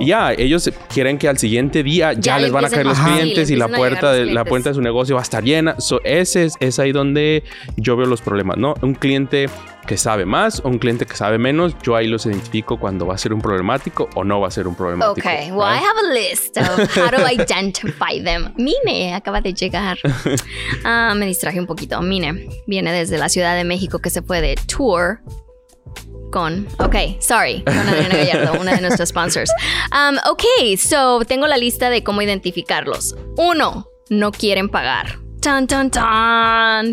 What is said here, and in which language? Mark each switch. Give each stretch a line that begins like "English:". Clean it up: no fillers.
Spanish: Ya, ellos quieren que al siguiente día ya les van a caer los clientes y la puerta de su negocio va a estar llena. So, ese es ahí donde yo veo los problemas, ¿no? Un cliente que sabe más o un cliente que sabe menos, yo ahí los identifico cuando va a ser un problemático o no va a ser un problemático.
English: Okay, ¿right? Well, I have a list of how to identify them.
Spanish: Mine acaba de llegar. Me distraje un poquito. Mine viene desde la Ciudad de México, que se fue de tour con...
English: Okay, sorry.
Spanish: Con Adriana Gallardo, una de nuestras sponsors. Okay, so tengo la lista de cómo identificarlos. Uno, no quieren pagar. Tan, tan, tan.